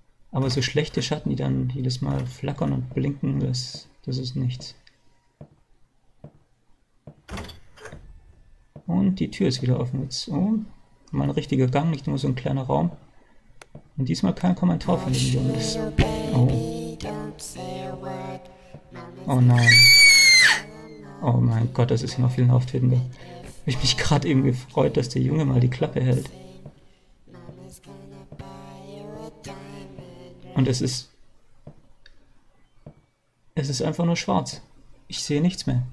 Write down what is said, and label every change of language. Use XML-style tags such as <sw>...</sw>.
<de>Aber so schlechte Schatten, die dann jedes Mal flackern und blinken, das ist nichts. Und die Tür ist wieder offen jetzt. Oh, mal ein richtiger Gang, nicht nur so ein kleiner Raum. Und diesmal kein Kommentar von dem Jungen. Oh.</de> <en>Baby, don't say a word. Mama.</en> <de>Oh nein. Oh mein Gott, das ist ja noch viel auftretender. Ich mich gerade eben gefreut, dass der Junge mal die Klappe hält. Und es ist einfach nur schwarz. Ich sehe nichts mehr.</de>